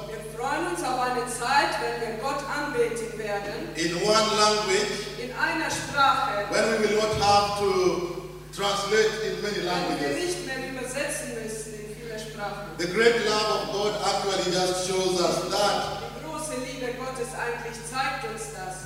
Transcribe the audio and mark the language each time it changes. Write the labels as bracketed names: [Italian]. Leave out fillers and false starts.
[German] Wir freuen uns auf eine Zeit, wenn wir Gott anbeten werden. [English] In one language. [German] In einer Sprache. [English] When we will not have to translate in many languages. [German] Wenn wir nicht mehr übersetzen müssen in viele Sprachen. [English] The great love of God actually just shows us that. [German] Die große Liebe Gottes eigentlich zeigt uns das.